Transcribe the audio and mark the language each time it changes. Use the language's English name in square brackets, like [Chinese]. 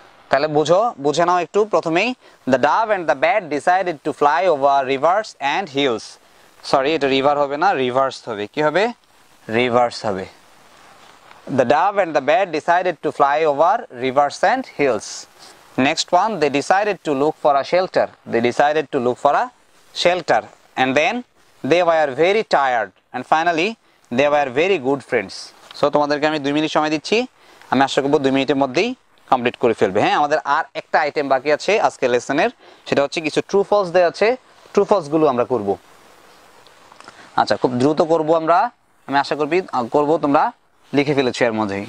[Bangla] তাহলে বুঝো, বুঝে নাও একটু, প্রথমেই [English] the dove and the bat decided to fly over rivers and hills, [Bangla] sorry এটা রিভার হবে না, রিভার্স হবে, কি হবে? রিভার্স হবে, [English] The dove and the bat decided to fly over rivers and hills. Next one, they decided to look for a shelter. They decided to look for a shelter. And then they were very tired. And finally, they were very good friends. [Bangla] So, তোমাদেরকে আমি 2 minute সময় দিচ্ছি। আমি আশা করব 2 মিনিটের মধ্যেই complete করে ফেলবে। হ্যাঁ, আমাদের আর একটা আইটেম বাকি আছে আজকে লেসনের। সেটা হচ্ছে কিছু ট্রু ফলস দেয়া আছে। ট্রু ফলস গুলো আমরা করব। আচ্ছা, খুব দ্রুত করব আমরা। আমি আশা করব তোমরা লিখে ফেলেছো এর মধ্যেই।